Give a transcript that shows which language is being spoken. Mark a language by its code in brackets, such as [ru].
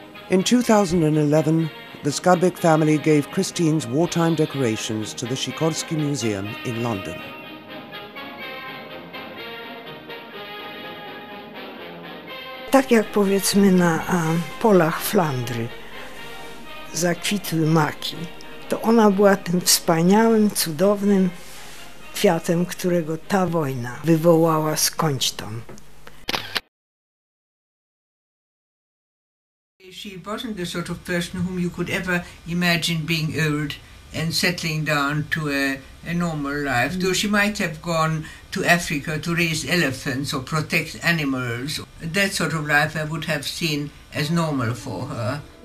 [en] In 2011, the Skarbek family gave Christine's wartime decorations to the Sikorsky Museum in London. [pl] Tak jak powiedzmy na polach Flandry zakwitły maki, to ona była tym wspaniałym, cudownym kwiatem, którego ta wojna wywołała skądś tam. [en] She wasn't the sort of person whom you could ever imagine being old and settling down to a normal life, though she might have gone to Africa to raise elephants or protect animals. That sort of life I would have seen as normal for her.